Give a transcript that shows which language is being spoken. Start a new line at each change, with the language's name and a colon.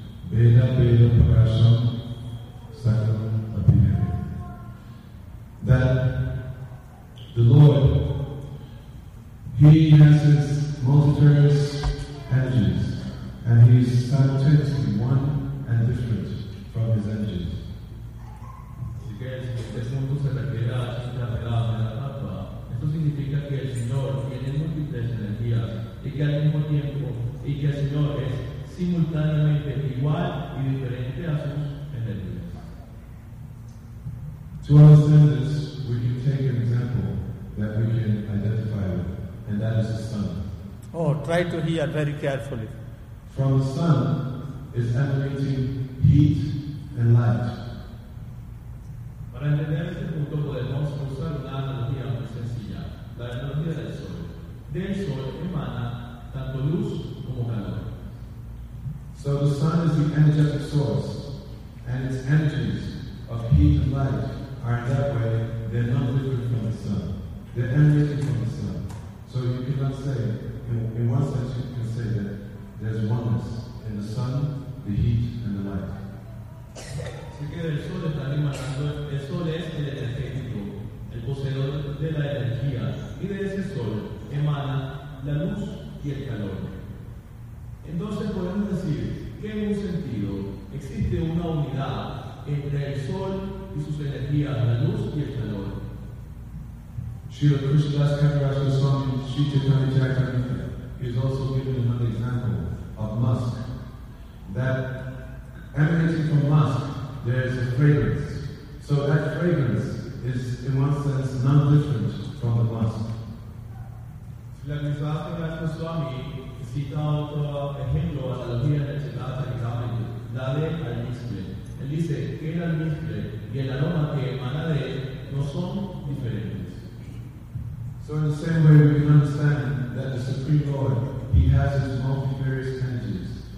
English: Veda Veda Prakasham Sakam Abhinaya. That the Lord, He has multitudinous energies and He is simultaneously one and different from his energies.
Spanish: Así que si este punto se refiere a Achintya Bheda Bheda Tattva, esto significa que el Señor tiene múltiples energías y que al mismo tiempo, y que el Señor es simultáneamente igual y diferente a sus energías.
English: To understand this, we can take an example that we can identify with, and that is the sun. Oh, try to hear very carefully. From the sun, is emanating heat and light.
Spanish: Para entender este punto podemos usar una analogía muy sencilla, la energía del sol. Del sol emana tanto luz como calor.
English: So the sun is the energetic source, and its energies of heat and light are in that way, they're not different from the sun. They're emanating from the sun. So you cannot say, in one sense you can say that there's oneness in the sun, the heat and the light.
Spanish: Así que el sol está emanando, el sol es el energético, el poseedor de la energía, y de ese sol emana la luz y el calor. Entonces podemos decir que en un sentido existe una unidad entre el sol y sus energías, la luz y el calor.
English: Srila Krishnadas Kaviraja Swami Sri Chaitanya Charitamrita is also giving another example of musk. That emanating from musk, there is a fragrance. So that fragrance is, in one sense, non-different from the musk.
Spanish: Srila Krishnadas Swami cita otro ejemplo, analogía de Chaitanya Charitamrita, la de almizcle. Él dice que el almizcle y el aroma que emana de él no son diferentes.
English: So in the same way, we can understand that the Supreme Lord, He has His multifarious energies.